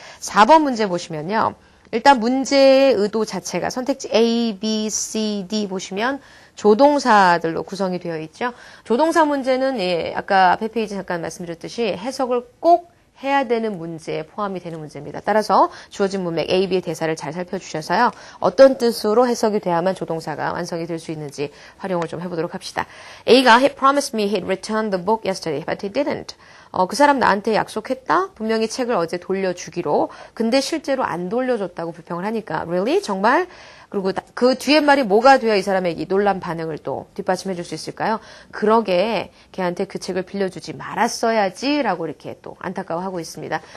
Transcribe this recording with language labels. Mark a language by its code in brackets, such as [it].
[ko] 4번 문제 보시면요. 일단 문제의 의도 자체가 선택지 A, B, C, D 보시면 조동사들로 구성이 되어 있죠. 조동사 문제는 예, 아까 앞에 페이지 잠깐 말씀드렸듯이 해석을 꼭 해야 되는 문제에 포함이 되는 문제입니다. 따라서 주어진 문맥 A, B의 대사를 잘 살펴주셔서요. 어떤 뜻으로 해석이 돼야만 조동사가 완성이 될수 있는지 활용을 좀 해보도록 합시다. [en] A가 He promised me he'd return the book yesterday, but he didn't. [ko] 그 사람 나한테 약속했다? 분명히 책을 어제 돌려주기로. 근데 실제로 안 돌려줬다고 불평을 하니까. [en] Really? [ko] 정말? 그리고 그 뒤에 말이 뭐가 되어 이 사람에게 놀란 반응을 또 뒷받침해 줄수 있을까요? 그러게 걔한테 그 책을 빌려주지 말았어야지라고 이렇게 또 안타까워하고 있습니다.